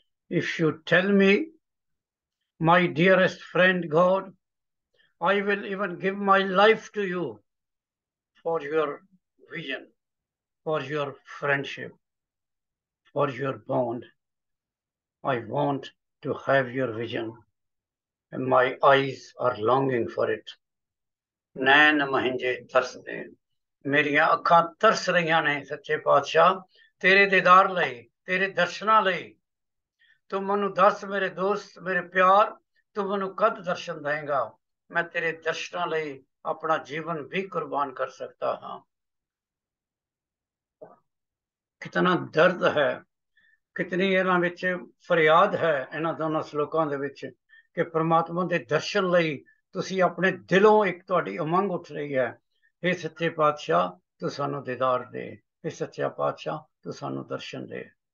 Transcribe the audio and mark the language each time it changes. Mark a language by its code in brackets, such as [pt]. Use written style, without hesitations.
[en] If you tell me, my dearest friend God, I will even give my life to you for your vision, for your friendship, for your bond. I want to have your vision, and my eyes are longing for it. [pa] Nain mahinje tarsde, meriyan akhan tars rahiyan ne sachche paatshah tere didar layi, tere darshana layi. Tu mainu das mere dost, mere pyar, tu mainu kad darshan dahenga, main tere darshana layi ਆਪਣਾ ਜੀਵਨ ਵੀ ਕੁਰਬਾਨ ਕਰ ਸਕਦਾ ਹਾਂ। ਕਿਤਨਾ ਦਰਦ ਹੈ, ਕਿਤਨੀ ਇਹਨਾਂ ਵਿੱਚ ਫਰਿਆਦ ਹੈ ਇਹਨਾਂ ਦੋਨਾਂ ਸਲੋਕਾਂ ਦੇ ਵਿੱਚ, ਕਿ ਪਰਮਾਤਮਾ ਦੇ ਦਰਸ਼ਨ ਲਈ ਤੁਸੀਂ ਆਪਣੇ ਦਿਲੋਂ ਇੱਕ ਤੁਹਾਡੀ ਉਮੰਗ ਉੱਠ ਰਹੀ ਹੈ, ਇਹ ਸੱਚੇ ਪਾਤਸ਼ਾਹ ਤੂੰ ਸਾਨੂੰ ਦੀਦਾਰ ਦੇ, ਇਹ ਸੱਚਾ ਪਾਤਸ਼ਾਹ ਤੂੰ ਸਾਨੂੰ ਦਰਸ਼ਨ ਦੇ।